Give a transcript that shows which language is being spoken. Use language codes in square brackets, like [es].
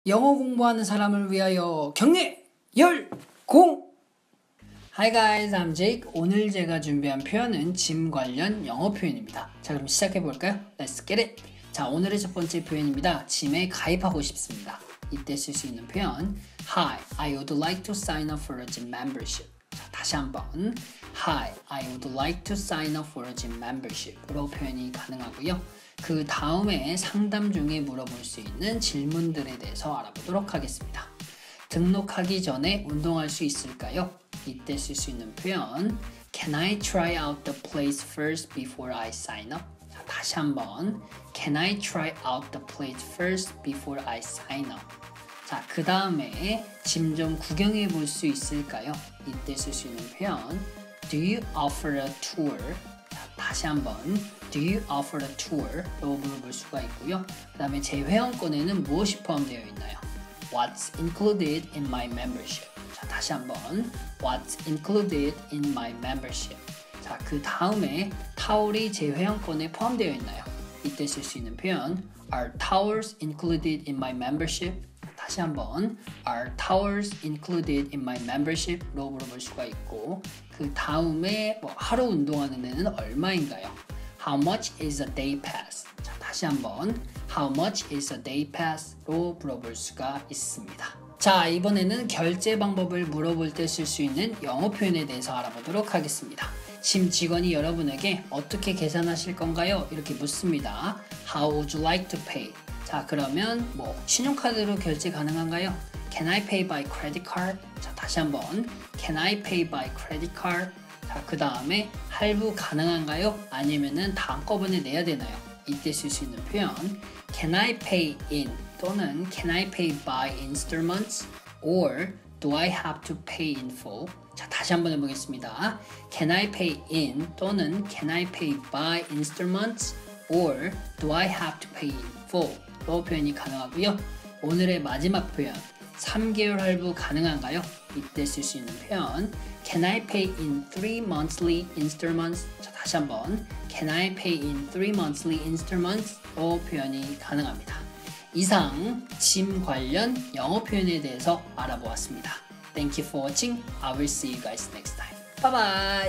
[ko] 영어 공부하는 사람을 위하여 경례! 열! 공! [en] Hi guys, I'm Jake. [ko] 오늘 제가 준비한 표현은 짐 관련 영어 표현입니다. 자, 그럼 시작해볼까요? [en] Let's get it! [ko] 자, 오늘의 첫 번째 표현입니다. 짐에 가입하고 싶습니다. 이때 쓸 수 있는 표현 [en] Hi, I would like to sign up for a gym membership. [ko] 자, 다시 한번 [en] Hi, I would like to sign up for a gym membership [ko] 으로 표현이 가능하고요. 그 다음에 상담 중에 물어볼 수 있는 질문들에 대해서 알아보도록 하겠습니다. 등록하기 전에 운동할 수 있을까요? 이때 쓸 수 있는 표현 [en] Can I try out the place first before I sign up? [ko] 자, 다시 한번 [en] Can I try out the place first before I sign up? [ko] 자, 그 다음에 짐 좀 구경해 볼 수 있을까요? 이때 쓸 수 있는 표현 [en] Do you offer a tour? [ko] 자, 다시 한번 [en] Do you offer a tour? [ko] 로 물어볼 수가 있고요. 그 다음에 제 회원권에는 무엇이 포함되어 있나요? [en] What's included in my membership? [ko] 자, 다시 한번 [en] What's included in my membership? [ko] 자, 그 다음에 타월이 제 회원권에 포함되어 있나요? 이때 쓸 수 있는 표현 [en] Are towels included in my membership? [ko] 다시 한번 [en] Are towels included in my membership? [ko] 로 물어볼 수가 있고 그 다음에 뭐 하루 운동하는 데는 얼마인가요? [en] How much is a day pass? [ko] 자, 다시 한번 [en] How much is a day pass? [ko] 로 물어볼 수가 있습니다. 자, 이번에는 결제 방법을 물어볼 때 쓸 수 있는 영어 표현에 대해서 알아보도록 하겠습니다. 짐 직원이 여러분에게 어떻게 계산하실 건가요? 이렇게 묻습니다. [en] How would you like to pay? [ko] 자, 그러면 뭐 신용카드로 결제 가능한가요? [en] Can I pay by credit card? [ko] 자, 다시 한번 [en] Can I pay by credit card? [ko] 자, 그 다음에 할부 가능한가요? 아니면은 다 한꺼번에 내야 되나요? 이때 쓸 수 있는 표현 [en] Can I pay in 또는 Can I pay by installments? Or do I have to pay in full? [ko] 자, 다시 한번 해보겠습니다. [en] Can I pay in 또는 Can I pay by installments? Or do I have to pay in full? [ko] 로 표현이 가능하고요. 오늘의 마지막 표현 3개월 할부 가능한가요? 이때 쓸 수 있는 표현 [en] Can I pay in 3 monthly installments? [ko] 자, 다시 한번 [en] Can I pay in 3 monthly installments? [ko] 로 표현이 가능합니다. 이상 짐 관련 영어 표현에 대해서 알아보았습니다. [en] Thank you for watching. I will see you guys next time. Bye bye!